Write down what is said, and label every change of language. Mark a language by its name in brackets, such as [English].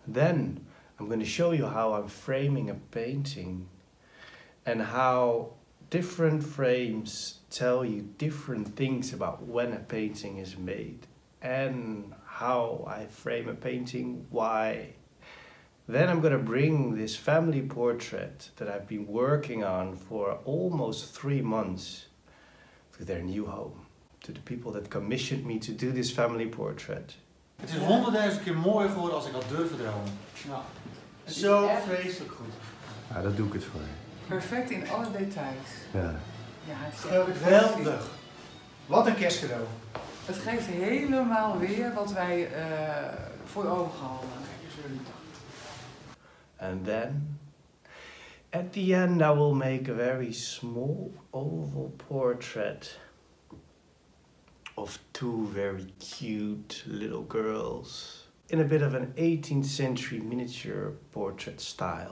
[English] Then I'm gonna show you how I'm framing a painting and how different frames tell you different things about when a painting is made and how I frame a painting, why. Then I'm gonna bring this family portrait that I've been working on for almost 3 months to their new home, to the people that commissioned me to do this family portrait. [Dutch] Het is 100.000 keer mooier geworden als ik had durven dromen. Ja. Zo vreselijk goed. Ja, dat doe ik het voor. Perfect in alle details. Ja. Ja, het is geweldig. Wat een kerstcadeau. Het geeft helemaal weer wat wij voor je ogen hadden. [English] And then, at the end, I will make a very small oval portrait of two very cute little girls in a bit of an 18th century miniature portrait style.